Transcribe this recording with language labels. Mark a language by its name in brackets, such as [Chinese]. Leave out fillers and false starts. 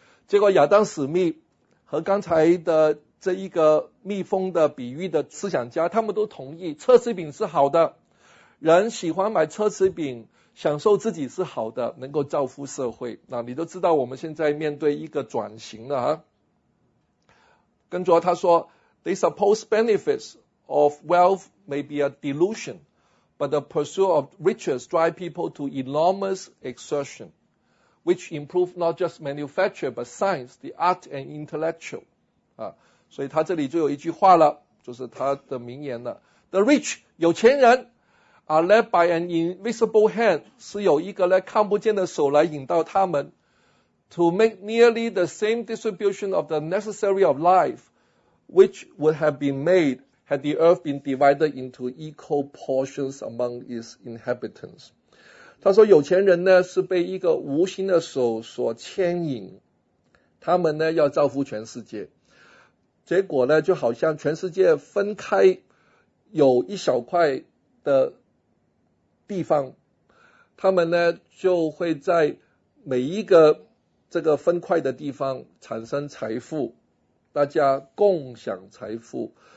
[Chinese] 结果亚当·史密和刚才的这一个蜜蜂的比喻的思想家，他们都同意奢侈品是好的，人喜欢买奢侈品享受自己是好的，能够造福社会。那你都知道我们现在面对一个转型了啊。跟着他说 [English] The supposed benefits of wealth may be a delusionBut the pursuit of riches drive people to enormous exertion, which improve not just manufacture, but science, the art and intellectual. [Chinese] 啊，所以他这里就有一句话了，就是他的名言了。 [English] The rich, [Chinese] 有钱人 [English] are led by an invisible hand, [Chinese] 是有一个看不见的手来引导他们 [English] to make nearly the same distribution of the necessary of life, which would have been made,had the earth been divided into equal portions among its inhabitants. [Chinese] 他说有钱人呢是被一个无形的手所牵引，他们呢要造福全世界，结果呢就好像全世界分开有一小块的地方，他们呢就会在每一个这个分块的地方产生财富，大家共享财富。